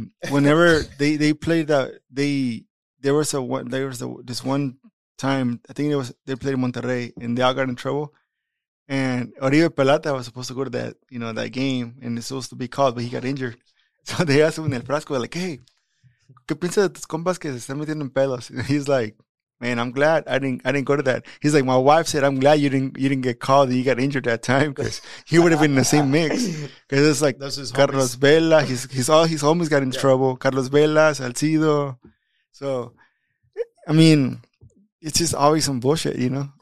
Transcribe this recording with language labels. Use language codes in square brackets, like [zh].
[en] Whenever they played that, there was this one time. I think they played in Monterrey, and they all got in trouble. And Oribe Peralta was supposed to go to that, you know, that game, and it's supposed to be called, but he got injured. So they asked him in El Frasco, like, hey. [es] ¿Qué piensas de tus compas que se están metiendo en pelos? [en] And he's like, man, I'm glad I didn't go to that. He's like, my wife said, I'm glad you didn't get called and you got injured that time because he would have been in the same mix. Because it's like Carlos Vela, he's all his homies got in trouble. Carlos Vela, Salcido. So, I mean, it's just always some bullshit, you know?